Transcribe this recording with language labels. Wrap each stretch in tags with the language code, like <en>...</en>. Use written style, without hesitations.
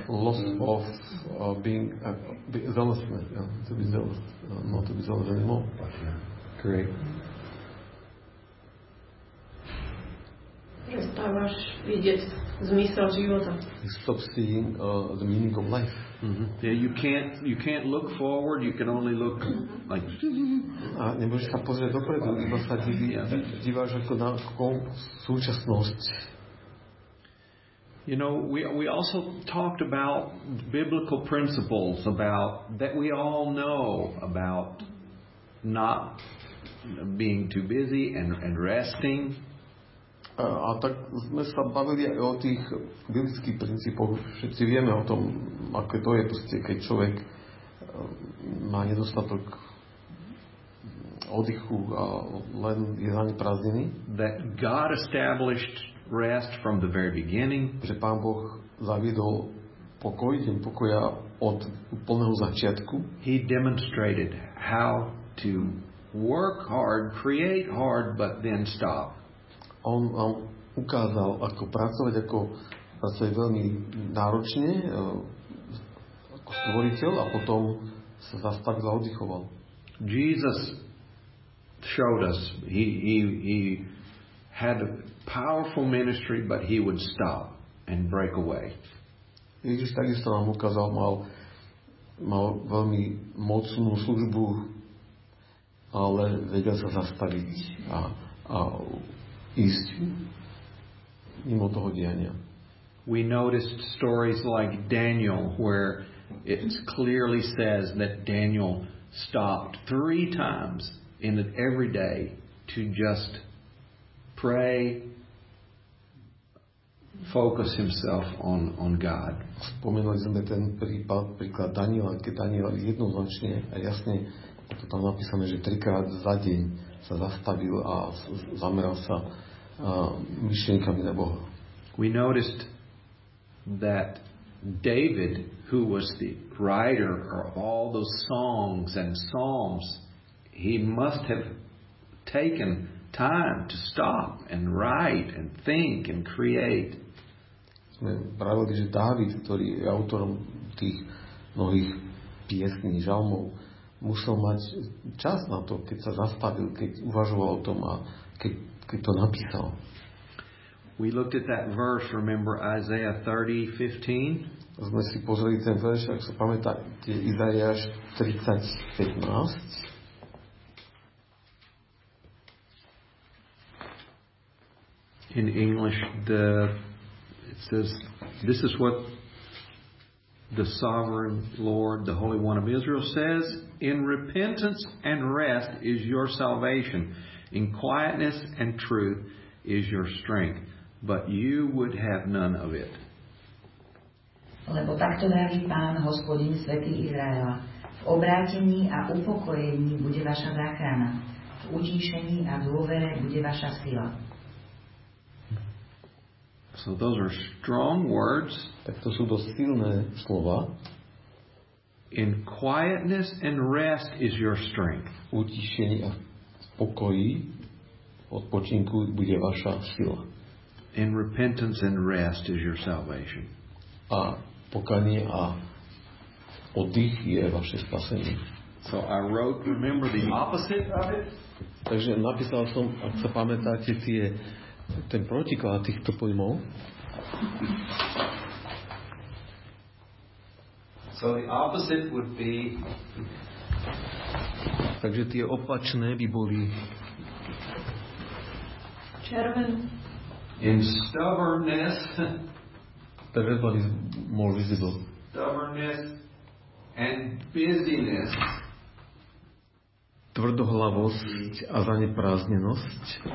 <en>Loss of being zealous, yeah, to be zealous, not to be zealous anymore. Great.</en> <sk>Prestávaš vidieť zmysel života.</sk> <en>You stop seeing the meaning of life. Mm-hmm. Yeah, you can't look forward, you can only look like</en> <sk>a nemôžeš sa pozrieť dopredu, iba sa diváš ako na súčasnosť.</sk> <en>You know, we also talked about biblical principles about that we all know about not being too busy and resting.</en> <sk>A tak sme sa bavili aj o tých biblických princípoch. Všetci vieme o tom, aké to je, proste, keď človek má nedostatok oddychu a len je na ne prázdniny.</sk> <en>That God established rest from the very beginning.</en> <sk>Že Pán Boh zaviedol pokoj, deň pokoja od úplného začiatku.</sk> <en>He demonstrated how to work hard, create hard, but then stop.</en> <sk>On vám ukázal, ako pracovať, ako pracovať veľmi náročne ako stvoriteľ a potom sa zastavil a oddychoval.</sk> <en>Jesus showed us he had a powerful ministry, but he would stop and break away.</en> <sk>Ježiš takisto vám ukázal, mal veľmi mocnú službu, ale vedel sa zastaviť a ísť mimo toho diania.</sk> <en>We noticed stories like Daniel where it clearly says that Daniel stopped 3 times in every day to just pray, focus himself on God.</en> <sk>Spomenuli sme ten príklad Daniela, keď Daniel jednoznačne a jasne to tam napísané, že 3-krát za deň sa zastavil a zameral sa myšlienkami na Boha.</sk> <en>We noticed that David, who was the writer of all those songs and psalms, he must have taken time to stop and write and think and create.</en> <sk>Sme pravili, že David, ktorý je autorom tých mnohých piesní, žalmov, musel mať čas na to, keď sa zastavil, keď uvažoval o tom a keď to napísal.</sk> <en>We looked at that verse, remember Isaiah 30:15?</en> <sk>Sme si pozreli ten verš, ak sa pamätá, je Izaiáš 30:15.</sk> <en>In English, it says, this is what the sovereign Lord, the Holy One of Israel says, in repentance and rest is your salvation. In quietness and truth is your strength, but you would have none of it.</en> <sk>Lebo takto vraví Pán, Hospodin, Svätý Izraela. V obrátení a upokojení bude vaša záchrana. V utíšení a dôvere bude vaša sila.</sk> <en>So those are strong words.</en> <sk>Tak to sú dosť silné slova.</sk> <en>In quietness and rest is your strength.</en> <sk>Utíšení a pokoji, odpočinku bude vaša sila.</sk> <en>In repentance and rest is your salvation.</en> <sk>A pokanie a oddych je vaše spasenie.</sk> <en>So I wrote, remember the opposite of it?</en> <sk>Takže napísal som, ak sa pamätáte, ten protiklad týchto pojmov.</sk> <en>So the opposite would be,</en> <sk>takže tie opačné by boli červen</sk> <en>in stubbornness.</en> <sk>Takže to by mohol byť zbytok.</sk> <en>Stubbornness and busyness.</en> <sk>Tvrdohlavosť a zaneprázdnenosť.</sk>